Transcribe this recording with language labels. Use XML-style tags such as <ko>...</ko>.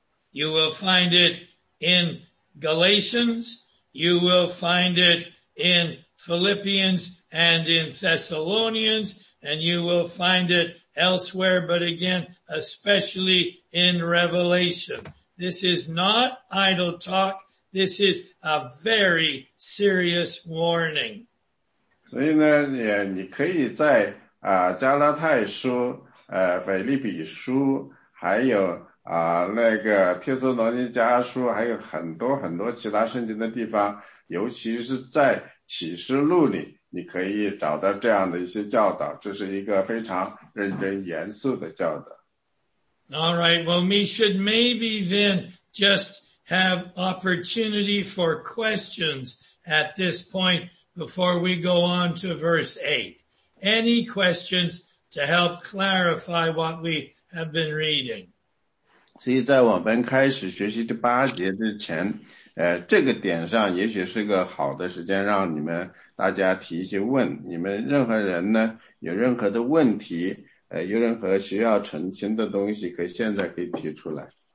<en>You will find it in Galatians, you will find it in Philippians and in Thessalonians, and you will find it elsewhere, but again, especially in Revelation. This is not idle talk, this is a very serious warning.</en> <zh>所以呢你可以在加拉太书腓立比书还有那个帖撒罗尼迦书还有很多很多其他圣经的地方尤其是在启示录里你可以找到这样的一些教导这是一个非常认真严肃的教导。</zh> <en>All right, well, we should maybe then just have opportunity for questions at this point before we go on to verse 8. Any questions to help clarify what we have been reading?</en> <zh>所以在我们开始学习第八节之前这个点上也许是个好的时间让你们大家提一些问你们任何人呢有任何的问题有任何需要澄清的东西可以现在可以提出来。</zh>